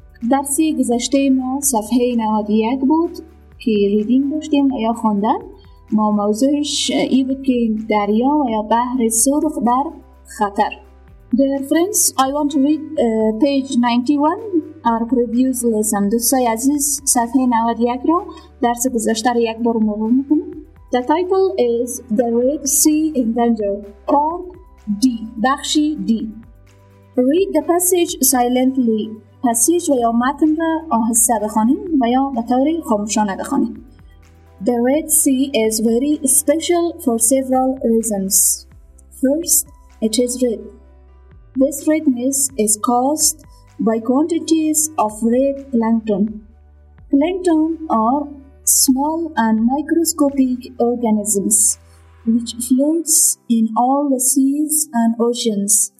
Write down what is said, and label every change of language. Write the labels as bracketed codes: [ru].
[fa] درس گذشته ما صفحه 91 بود که ریدینگ داشتیم یا خواندن. ما موضوعش این بود که دریا و یا بحر سرخ در خطر. [en] Dear friends, I want to read page 91, our previous lesson. [fa] دوستای عزیز صفحه 91 را درس گذشته را یک بار مرور میکنم. [en] The title is The Red Sea in Danger, Part D, [fa] بخشی D. [en] Read the passage silently. [fa] پسیج و یا متن را آهسته بخوانیم و یا به طور خاموشانه بخوانیم. [en] The Red Sea is very special for several reasons. First, it is red. This redness is caused by quantities of red plankton. Plankton are small and microscopic organisms which floats in all the seas and oceans.